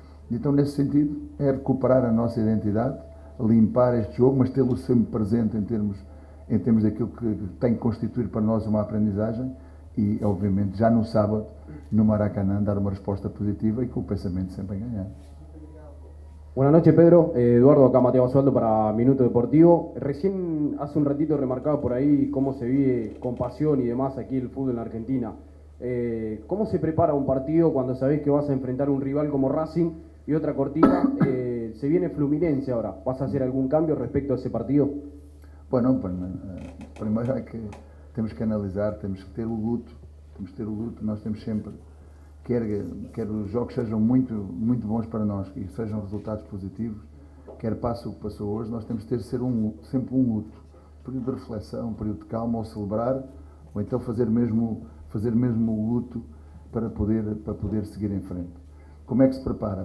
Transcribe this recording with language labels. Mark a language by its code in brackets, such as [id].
[pt] Então, nesse sentido, é recuperar a nossa identidade, limpar este jogo, mas tê-lo sempre presente em termos daquilo que tem que constituir para nós uma aprendizagem e, obviamente, já no sábado, no Maracanã, dar uma resposta positiva e com o pensamento sempre em ganhar. [es] Buenas noches, Pedro. Eduardo, acá Mateo Osvaldo para Minuto Deportivo. Recién hace un ratito remarcaba por ahí cómo se vive con pasión y demás aquí el fútbol en la Argentina. ¿Cómo se prepara un partido cuando sabés que vas a enfrentar un rival como Racing? Y otra cortina, se viene Fluminense ahora. ¿Vas a hacer algún cambio respecto a ese partido? Bueno, primero hay que, tenemos que analizar, tenemos que tener el luto. Tenemos que tener el luto, [pt] nós temos sempre. Quer os jogos sejam muito, muito bons para nós e sejam resultados positivos, quer passe o que passou hoje, nós temos de ter sempre um luto. Um período de reflexão, um período de calma, ou celebrar, ou então fazer mesmo o luto para poder seguir em frente. Como é que se prepara?